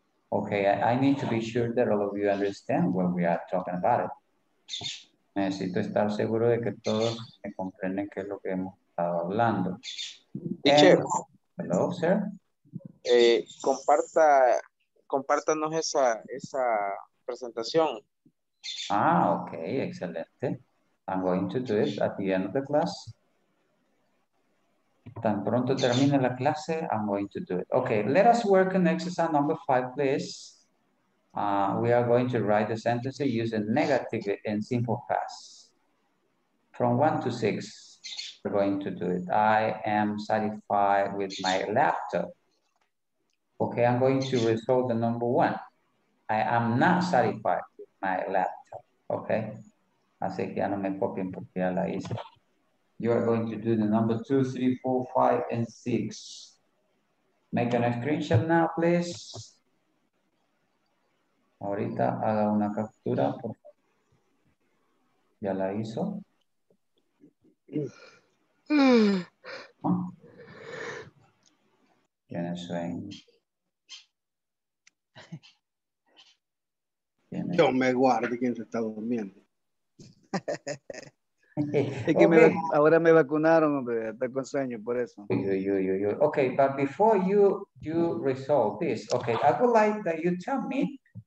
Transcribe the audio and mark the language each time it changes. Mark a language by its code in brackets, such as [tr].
[en] Okay, I need to be sure that all of you understand what we are talking about. [es] Necesito estar seguro de que todos me comprenden qué es lo que hemos estado hablando. [en] Teacher. Hello, sir. [es] Compártanos esa presentación. Ah, okay, excelente. [en] I'm going to do it at the end of the class. [es] Tan pronto termine la clase, [en] I'm going to do it. Okay, let us work on exercise number 5, please. We are going to write the sentence using negative and simple past. From 1 to 6, we're going to do it. I am satisfied with my laptop. Okay, I'm going to resolve the number 1. I am not satisfied with my laptop. Okay? [es] Así que ya no me copien porque ya la hice. [en] You are going to do the number 2, 3, 4, 5, and 6. Make a screenshot now, please. [es] Ahorita haga una captura. Ya la hizo. Tiene sueño. Yo me guarde quien se está durmiendo. Es que okay. Ahora me vacunaron, hombre, está con sueño por eso. [en] Okay, but before you resolve this, okay, I would like that you tell me.